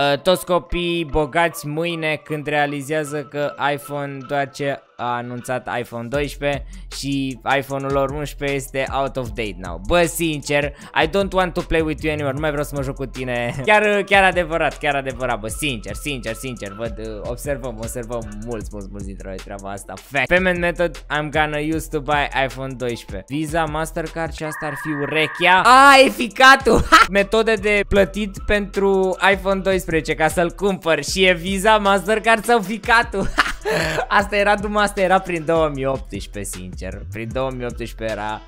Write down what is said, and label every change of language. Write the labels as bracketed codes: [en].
[ro] Toți copiii bogați mâine când realizează că iPhone doar ce a anunțat iPhone 12 și iPhone-ul lor 11 este [en] out of date now. [ro] Bă, sincer, [en] I don't want to play with you anymore. [ro] Nu mai vreau să mă joc cu tine. Chiar adevărat, bă, sincer, văd, observăm mulți dintre noi treaba asta. [en] Fact. Payment method I'm gonna use to buy iPhone 12. [ro] Visa, Mastercard și asta ar fi urechea. Ah, e ficatul. Metode de plătit pentru iPhone 12 ca să-l cumpăr și e Visa, Mastercard sau ficatul. Asta era prin 2018, sincer. Prin 2018 era.